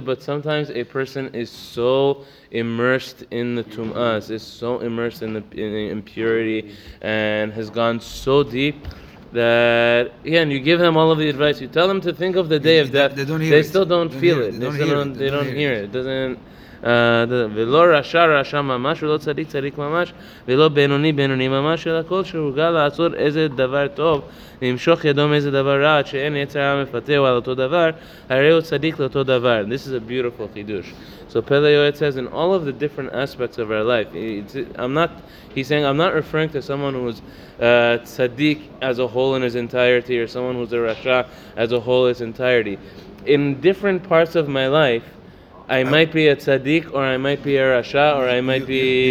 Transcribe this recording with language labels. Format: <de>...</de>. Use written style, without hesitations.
<en>But sometimes a person is so immersed in the tum'as, is so immersed in impurity and has gone so deep that, again, you give them all of the advice, you tell them to think of the day of death, they still don't feel it. They don't hear it.</en> <he>ולא רשע רשע ממש ולא צדיק צדיק ממש ולא בינוני בינוני ממש אלא כל שהורגל לעשות איזה דבר טוב למשוך ידו מאיזה דבר רע עד שאין יצר רע מפתהו על אותו דבר הרי הוא צדיק לאותו דבר.</he> <en>This is a beautiful חידוש. So Pele Yoetz says in all of the different aspects of our life, he's saying I'm not referring to someone who's tzaddik as a whole in his entirety or someone who's a rasha as a whole in his entirety. In different parts of my life I might be a tzaddik, or I might be a rasha, or I might be...</en>